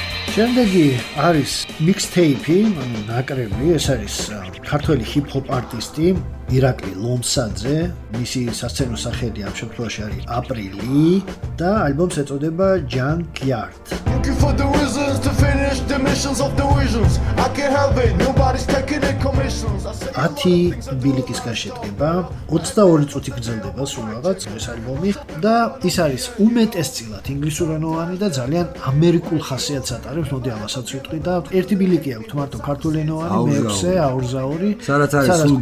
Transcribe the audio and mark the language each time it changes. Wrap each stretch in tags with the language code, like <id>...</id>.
<ka>შემდეგი არის მიქსტეიპი, ანუ ნაკრები, ეს არის ქართველი ჰიპ-ჰოპ არტისტი ირაკლი ლომსაძე, მისი სასცენო სახელი ამ შემთხვევაში არის აპრილი და ალბომს ეწოდება Junk Yard.</ka> <en>Looking for the reasons to finish the missions of the visions. I can't help it, nobody's taking the commissions.</en> <ka>10 ბილიკისგან შედგება, 22 წუთი გრძელდება სულ რაღაც ეს ალბომი და ის არის უმეტესწილად ინგლისურენოვანი და ძალიან ამერიკულ ხასიათს ატარებს, მოდი ამასაც ვიტყვი და ერთი ბილიკი აქვს მარტო ქართულენოვანი, მეექვსე აურზაური. სარაც არის სულ</ka>